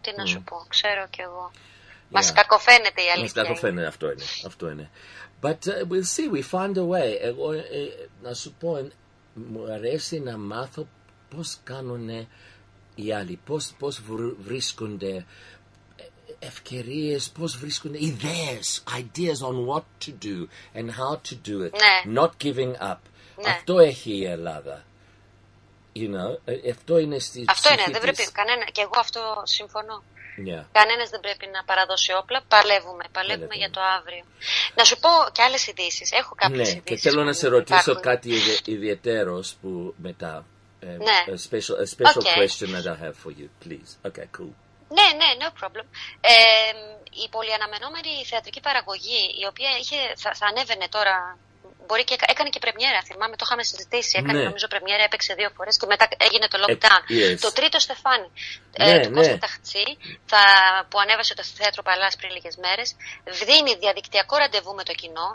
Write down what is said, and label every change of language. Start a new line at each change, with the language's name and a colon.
Greek: Τι να σου πω, ξέρω κι εγώ. Μας κακοφαίνεται η αλήθεια. Μας κακοφαίνεται, αυτό είναι. Αυτό είναι.
English: But we'll see, we find a way.
Greek: Εγώ να σου πω. Μου αρέσει να μάθω πώς κάνουν οι άλλοι, πώς βρίσκονται ευκαιρίες, πώς βρίσκονται
English: ideas on what to do and how to do it, not giving up.
Greek: Αυτό έχει η Ελλάδα,
English: you know,
Greek: αυτό είναι στη ψυχή. Αυτό είναι, δεν πρέπει κανένα, και εγώ αυτό συμφωνώ.
English: Yeah.
Greek: Κανένας δεν πρέπει να παραδώσει όπλα. Παλεύουμε για το αύριο. Να σου πω και άλλες ειδήσεις. Έχω κάποιες ειδήσεις. Και θέλω να σε ρωτήσω κάτι ιδιαίτερος που μετά.
English: A special question that I have for you, please. Okay, cool.
Greek: Ναι,
English: no problem.
Greek: Η πολυαναμενόμενη θεατρική παραγωγή, η οποία θα ανέβαινε τώρα. Μπορεί και έκανε και πρεμιέρα, θυμάμαι, το είχαμε συζητήσει. Έκανε νομίζω πρεμιέρα, έπαιξε δύο φορές και μετά έγινε το lockdown. Το τρίτο στεφάνι του Κώστα Ταχτσί, που ανέβασε το θέατρο Παλάς πριν λίγες μέρες, δίνει διαδικτυακό ραντεβού με το κοινό.